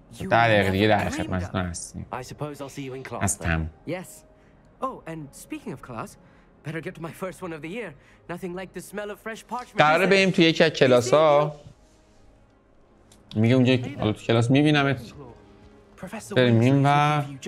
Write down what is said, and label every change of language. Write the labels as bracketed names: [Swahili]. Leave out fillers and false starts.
[Persian] 10 دقیقه دیگه در خدمتتون هستیم. [English] I suppose I'll see you in class. Yes. Oh, and speaking of class, better get to my first one of the year. Nothing like the smell of fresh parchment. [Persian] قرار بریم تو یکی از کلاس ها. میگه اونجا کلاس میبینمت. بریم این بر.